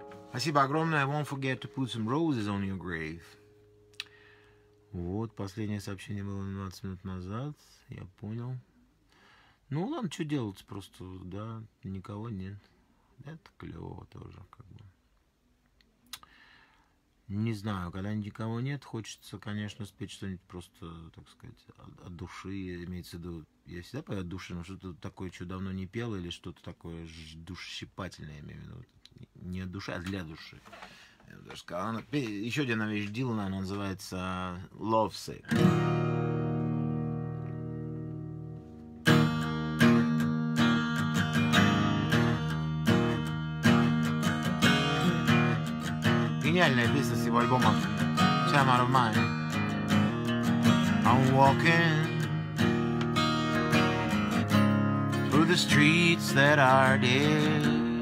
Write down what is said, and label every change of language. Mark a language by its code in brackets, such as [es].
[ru] Спасибо огромное. [en] I won't forget to put some roses on your grave. [ru] Вот, последнее сообщение было 20 минут назад. Я понял. Ну ладно, что делать? Просто, да, никого нет. Это клево тоже, как бы. Не знаю, когда никого нет, хочется, конечно, спеть что-нибудь просто, так сказать, от души. Имеется в виду, я всегда пою от души, но что-то такое, что давно не пел, или что-то такое душещипательное, имею в виду. Не от души, а для души. Я даже сказал, еще один вещь Дилана, она называется Lovesick. Гениальная песня с его альбома Time Out of Mind. [en] I'm walking through the streets that are dead.